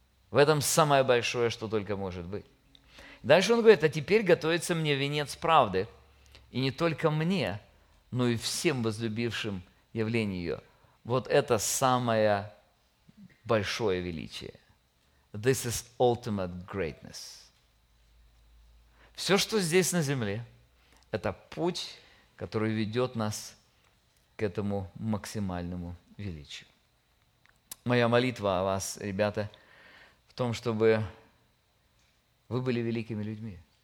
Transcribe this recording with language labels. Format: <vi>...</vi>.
<ru>В этом самое большое, что только может быть. Дальше он говорит, а теперь готовится мне венец правды, и не только мне, но и всем возлюбившим явление Ее. Вот это самое большое величие.</ru> <en>This is ultimate greatness.</en> <ru>Все, что здесь на земле, это путь, который ведет нас к этому максимальному величию. Моя молитва о вас, ребята, в том, чтобы вы были великими людьми.</ru>